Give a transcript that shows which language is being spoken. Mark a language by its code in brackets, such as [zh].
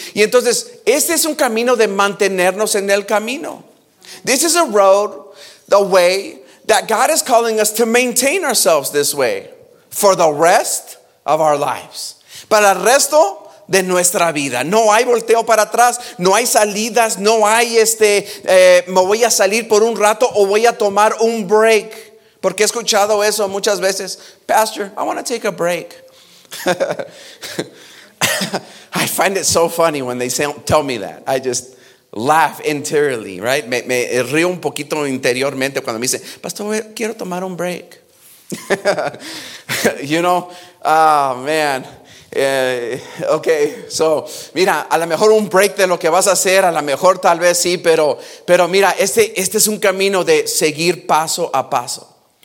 [es] Y entonces este es un camino de mantenernos en el camino. [en] This is a road, the way that God is calling us to maintain ourselves this way for the rest of our lives. [es] Para el resto de nuestra vida. No hay volteo para atrás. No hay salidas. No hay me voy a salir por un rato o voy a tomar un break. Porque he escuchado eso muchas veces. Pastor, [en] I want to take a break. I find it so funny when they tell me that. I just laugh interiorly, right? [es] Me río un poquito interiormente cuando me dice, Pastor, quiero tomar un break. [en] You know, okay, so, [es] mira, a lo mejor un break de lo que vas a hacer, a lo mejor tal vez sí, pero mira, este es un camino de seguir paso a paso.